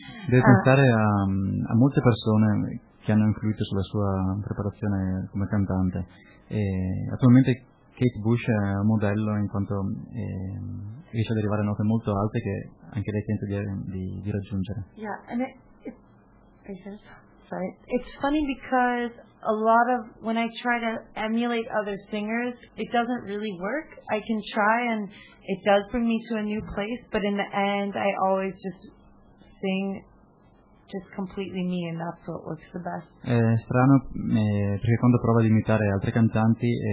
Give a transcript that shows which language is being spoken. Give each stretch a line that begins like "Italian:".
Italian: Deve pensare a molte persone che hanno influito sulla sua preparazione come cantante. E attualmente Kate Bush è un modello in quanto riesce ad arrivare a note molto alte che anche lei tenta di raggiungere.
English: Yeah, and it's funny because a lot of when I try to emulate other singers, it doesn't really work. I can try and it does bring me to a new place, but in the end, I always just sing just completely me, and that's what works the best.
Italian: È strano perché quando provo ad imitare altri cantanti,